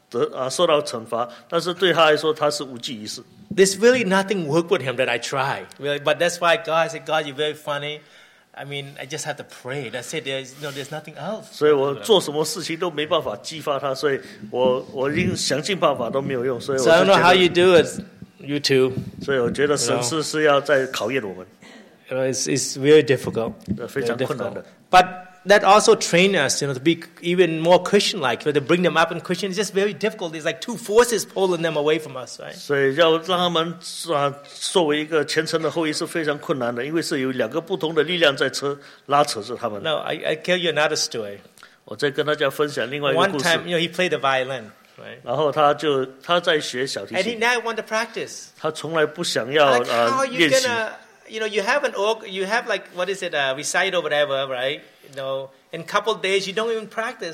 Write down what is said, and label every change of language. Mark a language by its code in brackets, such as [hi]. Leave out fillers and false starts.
[zh] 所以上6个月呢，他这边就不能出去，因为他受到惩罚。但是对他来说，他是无济于事。 [en] There's really nothing work with him that I try. Really, but that's why God, I said, God, you're very funny. I mean, I just have to pray. That's it. There's nothing else. [zh] 所以我做什么事情都没办法激发他，所以我已经想尽办法都没有用。所以我 [en] I don't know how you do it, you two. [zh] 所以我觉得神是要在考验我们。 [en] you know, it's very difficult. But that also trained us, you know, to be even more Christian-like. To bring them up in Christian, it's just very difficult. There's like two forces pulling them away from us, right? [zh] 所以要让他们作为一个虔诚的后裔是非常困难的，因为是有两个不同的力量在拉扯着他们。 [en] No, I tell you another story. [zh] 我再跟大家分享另外一个故事。 [en] One time, you know, he played the violin. Right. [zh] 然后他在学小提琴。 [en] And he never wanted to practice. [zh] 他从来不想要 [en] like, how are you gonna, you know, you have an org, you have like, what is it, a recital or whatever, right? You know, in a couple of days, you don't even practice.